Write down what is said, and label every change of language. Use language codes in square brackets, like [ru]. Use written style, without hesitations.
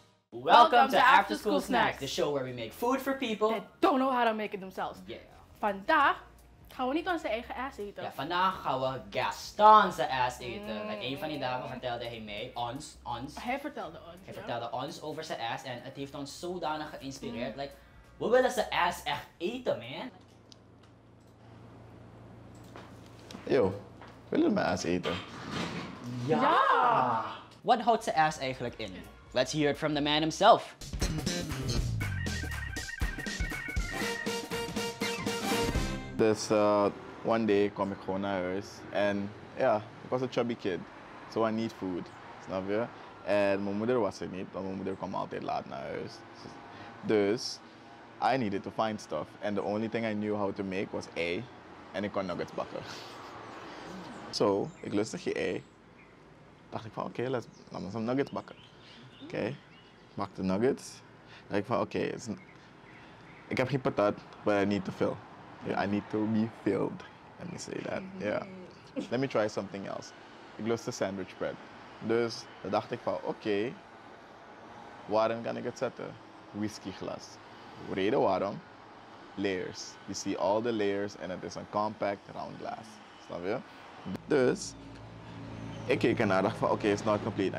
[en] Welcome to After School Snacks, the show where we make food for people that don't know how to make it themselves. Yeah. [nl] Vandaag gaan we niet onze eigen ass eten. Ja, vandaag gaan we Gaston's ass eten. Met een van die dames vertelde hij mij, ons. Hij vertelde ons over zijn ass en het heeft ons zodanig geïnspireerd. Like, we willen zijn ass echt eten, man. Yo, willen we mijn ass eten? Ja! Wat houdt zijn ass eigenlijk in? [en] Let's hear it from the man himself. [nl] Dus one day kwam ik gewoon naar huis. En ja, ik was een [en] chubby kid. So I need food, [nl] snap je? En mijn moeder was er niet, want mijn moeder kwam altijd laat naar huis. [en] Dus I needed to find stuff. And the only thing I knew how to make was ei. [nl] En ik kon nuggets bakken. So ik lustte geen ei. Dacht ik van oké, let's laat me some nuggets bakken. Oké, okay. Bak de nuggets. Dacht ik van oké, ik heb geen patat, [en] but I need to fill. Yeah, I need to be filled. Let me say that. Yeah. Let me try something else. [nl] Ik lustte sandwich bread. Dus dan dacht ik van oké, waarom kan ik het zetten? Whisky glas. Reden waarom? Layers. [en] You see all the layers and it is a compact round glass. [nl] Snap je? Dus ik keek ernaar, dacht van oké, [en] it's not complete.